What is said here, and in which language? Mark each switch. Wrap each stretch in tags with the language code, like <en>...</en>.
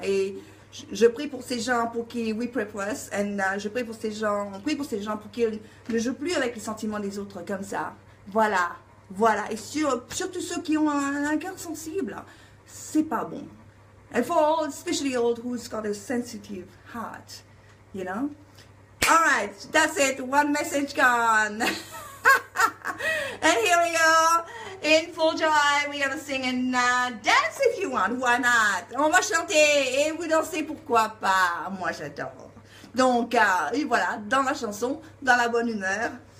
<fr>Et je prie pour ces gens pour qui,</fr> <en>we pray for us,</en> <fr>and je prie pour ces gens, on prie pour ces gens pour qu'ils ne jouent plus avec les sentiments des autres comme ça. Voilà, voilà. Et surtout ceux qui ont un cœur sensible, c'est pas bon.</fr> <en>And for all, especially old who's got a sensitive heart, you know? All right, that's it. One message gone. And here we go. In full joy, we're gonna sing and dance if you want. Why not?</en> <fr>On va chanter et vous dansez, pourquoi pas? Moi, j'adore. Donc, et voilà, dans la chanson, dans la bonne humeur.</fr>